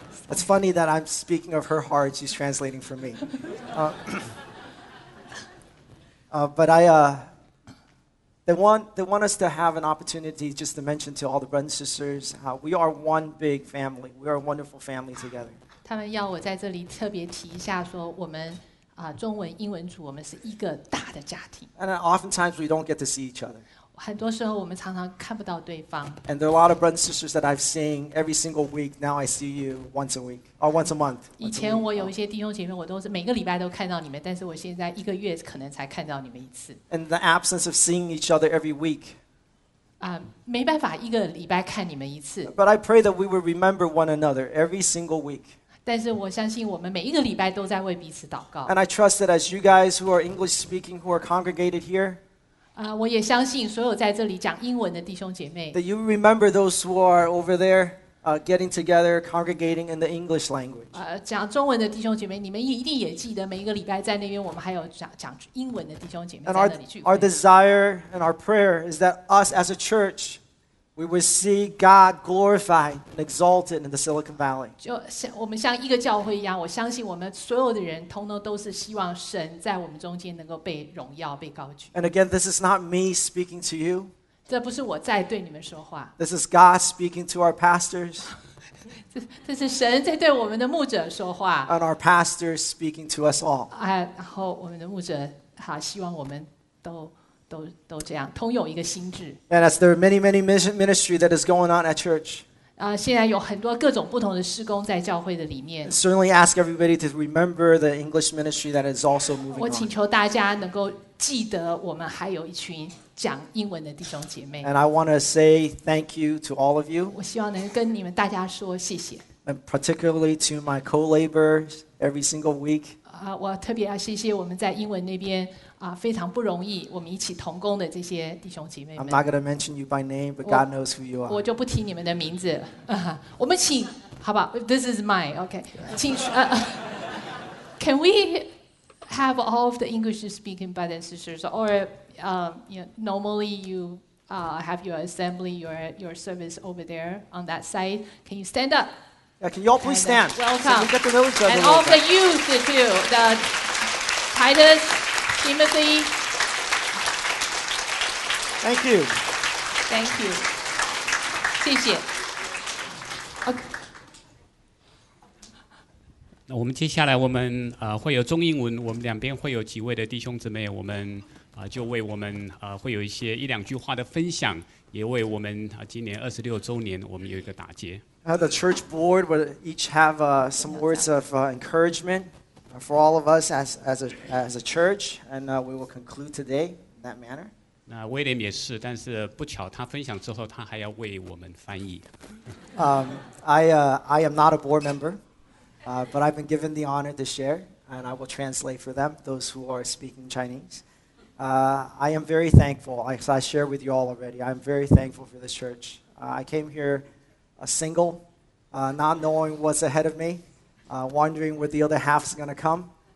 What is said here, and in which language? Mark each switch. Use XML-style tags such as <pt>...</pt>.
<en>It's funny that I'm speaking of her heart; she's translating for me. but I they want us to have an opportunity just to mention to all the brothers and sisters how we are one big family. We are a wonderful family together.</en> <zh>他们要我在这里特别提一下，说我们。中文英文组我们是一个大的家庭。</zh> <en>And oftentimes we don't get to see each other.</en> <zh>很多时候我们常常看不到对方。</zh> <en>And there are a lot of brothers and sisters that I've seen every single week. Now I see you once a week or once a month.</en> <zh>以前我有一些弟兄姐妹，我都是每个礼拜都看到你们，但是我现在一个月可能才看到你们一次。</zh> <en>And the absence of seeing each other every week.</en> <zh>没办法一个礼拜看你们一次。</zh> <en>But I pray that we will remember one another every single week.</en> <zh>但是我相信我们每一个礼拜都在为彼此祷告。</zh> <en>And I trust that as you guys who are English speaking, who are congregated here,</en> <zh>我也相信所有在这里讲英文的弟兄姐妹</zh> <en>that you remember those who are over there, getting together, congregating in the English language.</en> <zh>讲中文的弟兄姐妹，你们一定也记得每一个礼拜在那边我们还有讲英文的弟兄姐妹在那里聚会。</zh> <en>Our desire and our prayer is that us as a church. We will see God glorified and exalted in the Silicon Valley.</en> <zh>就像我们像一个教会一样，我相信我们所有的人，通通都是希望神在我们中间能够被荣耀、被高举。</zh> <en>And again, this is not me speaking to you.</en> <zh>这不是我在对你们说话。</zh> <en>This is God speaking to our pastors.</en> <zh>这是神在对我们的牧者说话。</zh> <en>And our pastors speaking to us all.</en> <zh>然后我们的牧者，好，希望我们都。都这样，通有一个心智。</zh> <en>And as there are many, many ministry that is going on at church.</en> <zh>现在有很多各种不同的事工在教会的里面。</zh> <en>Certainly ask everybody to remember the English ministry that is also moving on.</en> <zh>我请求大家能够记得我们还有一群讲英文的弟兄姐妹。</zh> <en>And I want to say thank you to all of you.</en> <zh>我希望能跟你们大家说谢谢。</zh> <en>And particularly to my co-laborers every single week.</en> <zh>我特别要谢谢我们在英文那边非常不容易，我们一起同工的这些弟兄姐妹们。</zh> <en>I'm not going to mention you by name, but God knows who you are.</en> <zh>我就不提你们的名字。我们请，好吧 ，</zh> <en>This is mine, okay.</en> <zh>请</zh> <en>Can we have all of the English speaking brothers and sisters, or normally you have your assembly, your service over there on that side? Can you stand up? Yeah, can you all please stand? Welcome. So we get to know each other and all the youth too. The Titus. Timothy. Thank you. Thank you.</en> <zh>谢谢。那我们接下来我们会有中英文，我们两边会有几位的弟兄姊妹，我们就为我们会有一些一两句话的分享，也为我们今年二十六周年我们有一个打结。</zh> <en>The church board would each have some words of encouragement for all of us as a church, and we will conclude today in that manner.</en> <zh>那威廉也是，但是不巧他分享之后，他还要为我们翻译。</zh> <en>I am not a board member. But I've been given the honor to share, and I will translate for them, those who are speaking Chinese. I am very thankful, as I shared with you all already, I'm very thankful for this church. I came here single, not knowing what's ahead of me, wondering where the other half's going to come.</en>